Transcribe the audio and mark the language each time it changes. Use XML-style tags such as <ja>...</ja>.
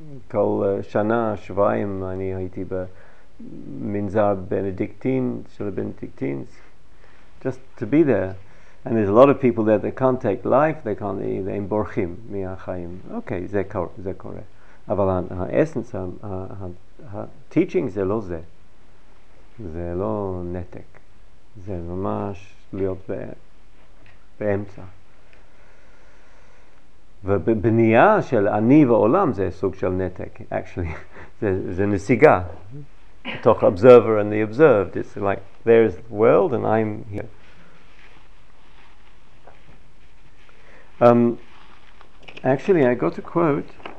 <he>כל שנה, שבועיים, אני הייתי במנזר בנדיקטין, של הבנדיקטין.</he> <en>Just to be there. And there's a lot of people there that can't take life, they</en> <he>בורחים מהחיים. Okay, זה קורה. אבל האסנס, הטיצ'ינג זה לא זה. זה לא נתק. זה ממש להיות באמצע. ובבנייה של אני ועולם זה סוג של נתק, actually. זה נסיגה.</he> <en>תוך observer and the observed. It's like, there's the world and I'm here. Actually, I got a quote.</en>